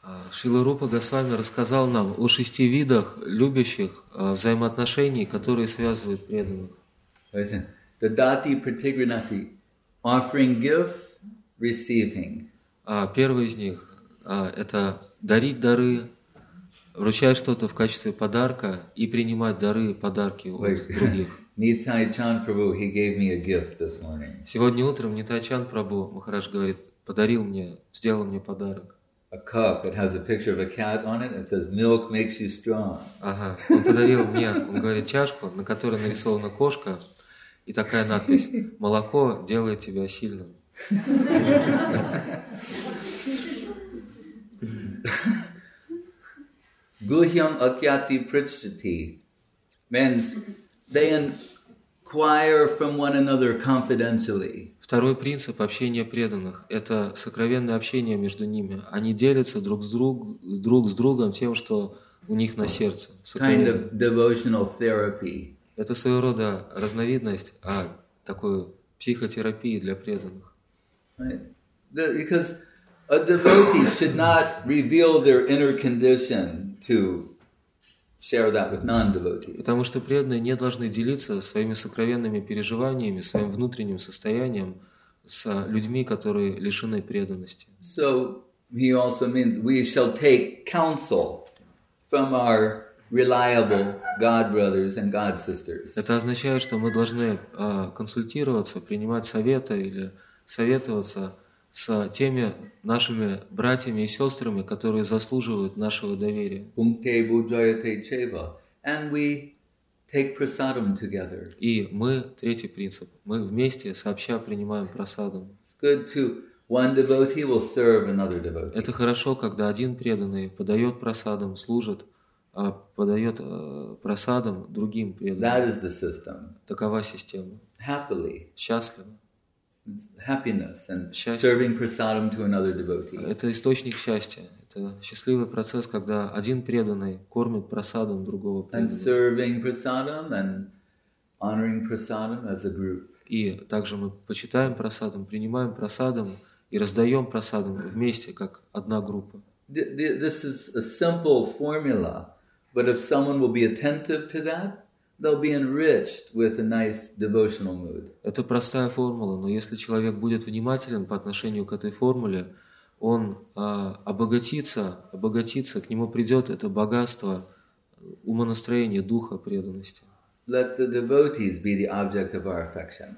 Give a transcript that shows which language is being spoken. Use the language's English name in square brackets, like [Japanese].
[Russian] Шрила Рупа Госвами рассказал нам о шести видах любящих взаимоотношений, которые связывают преданных. [Sanskrit] Dadati pratigrinati, [English] offering gifts, receiving. [Russian] Первый из них это дарить дары, вручать что-то в качестве подарка и принимать дары, подарки от других. [English] Nithai Chan Prabhu, he gave me a gift this morning. [Russian] Сегодня утром Nithai Chan Prabhu Maharaj говорит, подарил мне, сделал мне подарок. [English] A cup. It has a picture of a cat on it. It says, "Milk makes you strong." [Russian] Ага. Он подарил мне, он говорит, чашку, на которой нарисована кошка. И такая надпись: молоко делает тебя сильным. [Sanskrit] Guhyam akyati pritshati [English] means they inquire from one another confidentially. [Russian] Второй принцип общения преданных – это сокровенное общение между ними. Они делятся друг с другом тем, что у них на сердце. [English] Kind of devotional therapy. [Russian] Это своего рода разновидность такой психотерапии для преданных. [English] Right. Because a devotee should not reveal their inner condition to share that with non-devotees. [Russian] Потому что преданные не должны делиться своими сокровенными переживаниями, своим внутренним состоянием с людьми, которые лишены преданности. [English] So he also means we shall take counsel from our reliable God brothers and God sisters. [Russian] Это означает, что мы должны консультироваться, принимать советы или советоваться с теми нашими братьями и сестрами, которые заслуживают нашего доверия. [Sanskrit] Bhunte bhujayate cheva, [English] and we take prasadam together. [Russian] И мы третий принцип. Мы вместе сообща принимаем прасадам. [English] It's good to one devotee will serve another devotee. [Russian] Это хорошо, когда один преданный подает прасадам, служит. Подает просадам другим преданным. [English] That is the system. [Russian] Такова система. [English] Happily. [Russian] Счастливо. [English] Happiness and [Russian] счастье. [English] Serving prasadam to another devotee. [Russian] Это источник счастья. Это счастливый процесс, когда один преданный кормит просадам другого преданного. [English] And serving prasadam and honoring prasadam as a group. [Russian] И также мы почитаем просадам, принимаем просадам и раздаем просадам вместе, как одна группа. [English] This is a simple formula, but if someone will be attentive to that, they'll be enriched with a nice devotional mood. [Russian] Это простая формула, но если человек будет внимателен по отношению к этой формуле, он обогатится, к нему придет это богатство умонастроения, духа преданности. [English] Let the devotees be the object of our affection.